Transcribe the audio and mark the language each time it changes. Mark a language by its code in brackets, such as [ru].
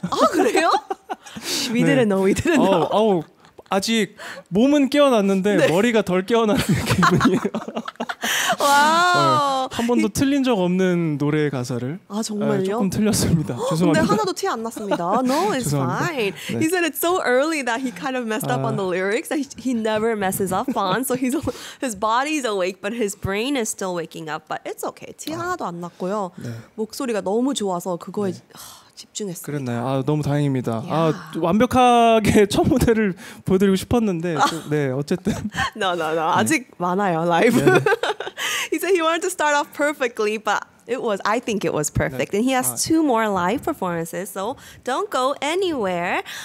[ko] 아, 그래요? [en] We didn't 네. know, we didn't know. [ko] 아직 몸은 깨어났는데 네. 머리가 덜 깨어나는 기분이에요. 와우. 한 번도 틀린 적 없는 노래 가사를. 아, 정말요? 조금 틀렸습니다. 죄송합니다. 근데 하나도 티 안 났습니다. [en] No, it's fine. 네. He said it's so early that he kind of messed up on the lyrics that he never messes up on. So his body's awake, but his brain is still waking up. But it's okay. [ko] 티 하나도 안 났고요. 네. 목소리가 너무 좋아서 그거에 네. 집중했어요. 그랬나요? 아, 너무 다행입니다. Yeah. 아, 완벽하게 첫 무대를 보여드리고 싶었는데, 네, 어쨌든. [en] No, no, no. [ko] 아직 네. 많아요, 라이브. [en] He said he wanted to start off perfectly, but it was, I think it was perfect. 네. And he has two more live performances, so don't go anywhere.